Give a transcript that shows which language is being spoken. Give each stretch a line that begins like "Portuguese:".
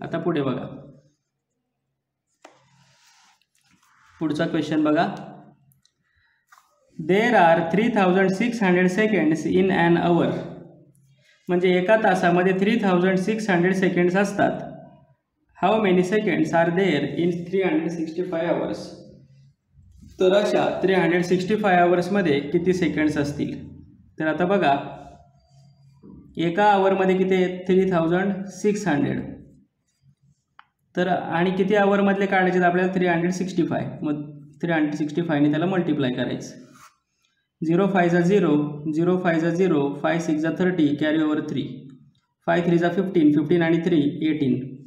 Marathi: आता पुढे बघा, पुढचा क्वेश्चन बघा.
English: there are 3,600 seconds in an hour,
Marathi: म्हणजे एका तासामध्ये 3,600 सेकंड्स असतात.
English: How many seconds are there in 365 hours?
Marathi: तर अशा 365 आवर्समध्ये किती सेकंड्स असतील? तर आता बघा, एका आवरमध्ये किती आहेत? 3,600. तर आणि किती आवरमधले काढायचे आपल्याला? 365. मग 365 ने त्याला मल्टिप्लाय करायचं. 0 5 झा 0, 0 5 झा 0, 5 6 झा 30, कॅरी ओवर 3, 5 3 झा 15, 15 आणि 3, 18.